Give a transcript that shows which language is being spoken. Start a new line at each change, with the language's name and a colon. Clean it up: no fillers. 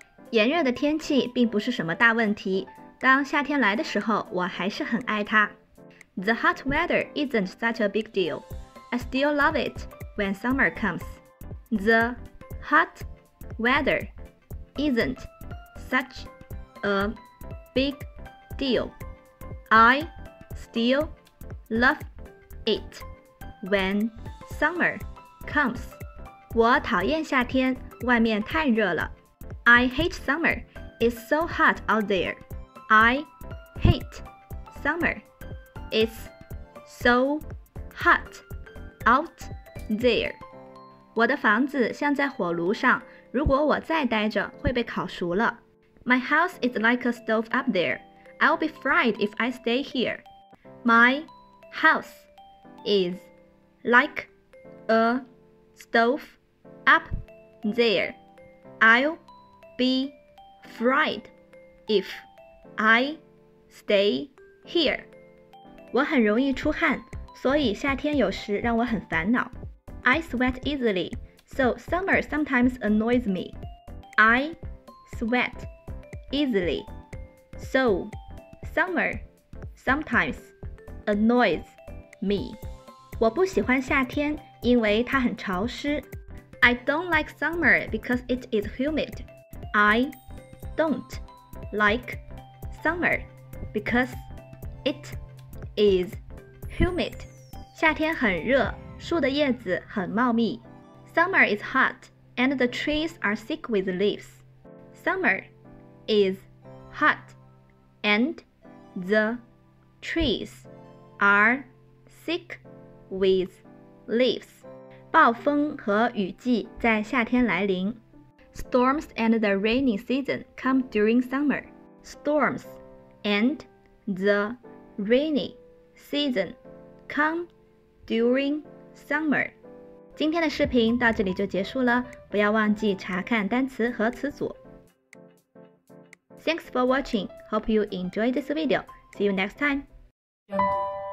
Chinese: 炎热的天气并不是什么大问题，当夏天来的时候，我还是很爱它。
English: The hot weather isn't such a big deal. I still love it when summer comes. The hot weather isn't such a big deal. I still love it when summer comes.
Chinese: 我讨厌夏天，外面太热了。
English: I hate summer. It's so hot out there. I hate summer. It's so hot out there.
Chinese: 我的房子像在火炉上，如果我再待着会被烤熟了。
English: My house is like a stove up there. I'll be fried if I stay here. My house is like a stove up there. I'll be fried if I stay here.
Chinese: 我很容易出汗，所以夏天有时让我很烦恼。
English: I sweat easily, so summer sometimes annoys me. I sweat easily, so summer sometimes annoys me.
Chinese: 我不喜欢夏天，因为它很潮湿。
English: I don't like summer because it is humid. I don't like summer because it is humid.
Chinese: 夏天很热，树的叶子很茂密。
English: Summer is hot and the trees are thick with leaves. Summer is hot and the trees are thick with leaves.
Chinese: 暴风和雨季在夏天来临。
English: Storms and the rainy season come during summer. Storms and the rainy season come during summer.
Chinese: 今天的视频到这里就结束了，不要忘记查看单词和词组。
English: Thanks for watching. Hope you enjoyed this video. See you next time.